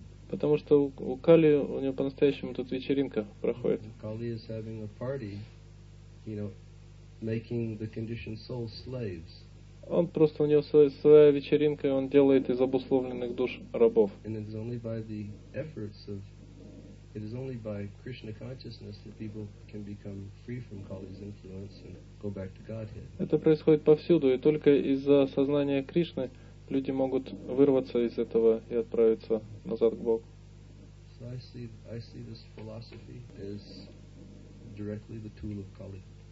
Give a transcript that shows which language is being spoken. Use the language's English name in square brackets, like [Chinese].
[Russian] Потому что у Кали, у него по-настоящему тут вечеринка проходит. [English] Кали is having a party. You know, making the conditioned soul slaves. [Russian] Он просто, у него своя вечеринка, и он делает из обусловленных душ рабов. [English] And it is only by the efforts of, it is only by Krishna consciousness that people can become free from Kali's influence and go back to Godhead. [Russian] Это происходит повсюду, и только из-за сознания Кришны люди могут вырваться из этого и отправиться назад к Богу. [English] So I see this philosophy as directly the tool of Kali.